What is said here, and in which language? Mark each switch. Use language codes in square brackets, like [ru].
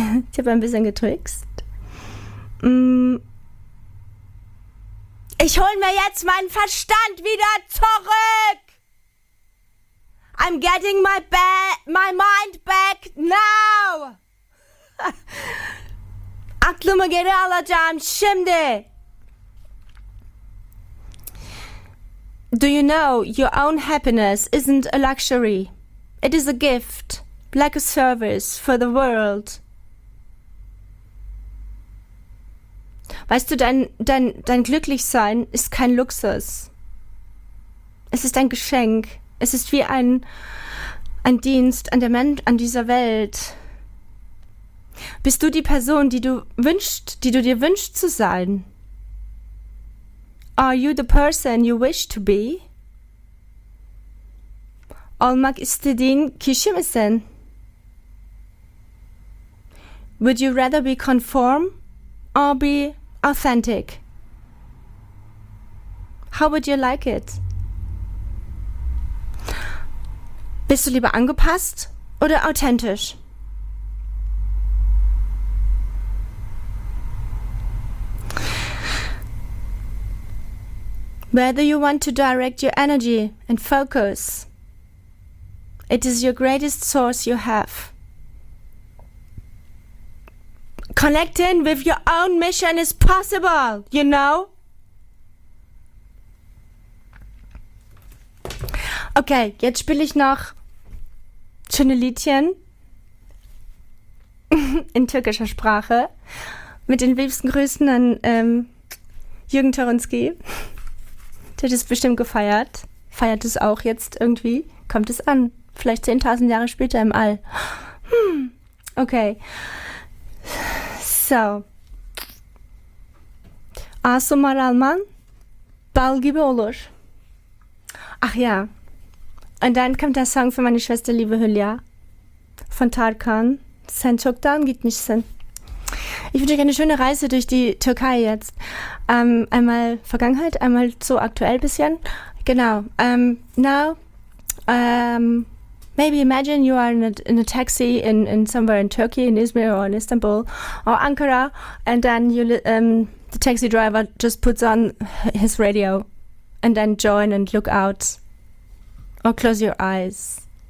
[de] Ich habe ein bisschen getrickst. Ich hol mir jetzt meinen Verstand wieder zurück. [en] I'm getting my mind back now. [tr] Aklımı geri alacağım şimdi. [en] Do you know your own happiness isn't a luxury? It is a gift, like a service for the world. [de] Weißt du, dein Glücklichsein ist kein Luxus. Es ist ein Geschenk. Es ist wie ein Dienst an der Mensch, an dieser Welt. Bist du die Person, die du dir wünschst zu sein? [en] Are you the person you wish to be? [tr] Olmak istediğin kişi misin? [en] Would you rather be conform or be authentic? How would you like it? [de] Bist du lieber angepasst oder authentisch? [en] Whether you want to direct your energy and focus, it is your greatest source you have. Connecting with your own mission is possible, you know? [de] Okay, jetzt spiele ich noch schöne Liedchen in türkischer Sprache mit den liebsten Grüßen an Jürgen Toronski. Der hat es bestimmt gefeiert. Feiert es auch jetzt irgendwie? Kommt es an? Vielleicht 10.000 Jahre später im All. Okay. So. [tr] Asumar alman, bal gibi olur. [de] Ach ja. Und dann kommt der Song für meine Schwester, liebe Hülya. Von Tarkan. [tr] Sen çoktan gitmişsin. [de] Ich wünsche euch eine schöne Reise durch die Türkei jetzt. Einmal Vergangenheit, einmal so aktuell ein bisschen. Genau. Now, [en] Maybe imagine you are in a taxi in somewhere in Turkey, in Izmir or in Istanbul or Ankara, and then you the taxi driver just puts on his radio and then join and look out or close your eyes.